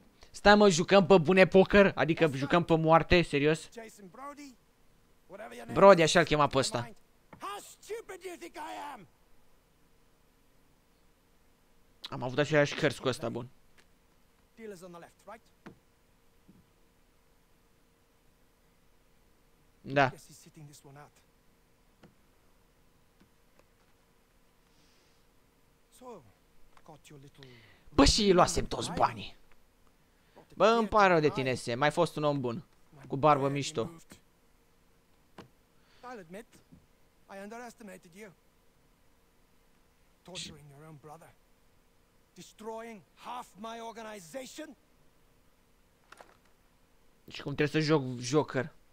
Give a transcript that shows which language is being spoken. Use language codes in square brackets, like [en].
[ro] Stai mă, jucăm pe bune poker, adică jucăm pe moarte, serios? [en] Jason Brody. Whatever your name. [ro] Brody, așa îl chema pe ăsta. [en] How stupid do you think I am? [ro] Am avut aceleași cărți cu ăsta, bun. [en] Dealers on the left, right? [ro] Da. [en] I guess he's sitting this one out. So, got your little. [ro] Bă, și luasem toți banii. Bă, îmi pare rău de tine, Sam. Mai fost un om bun. Cu barbă mișto. [en] I'll admit, I underestimated you. Torturing your own brother. Destroying half my organization. [ro] Și cum trebuie să joc Joker?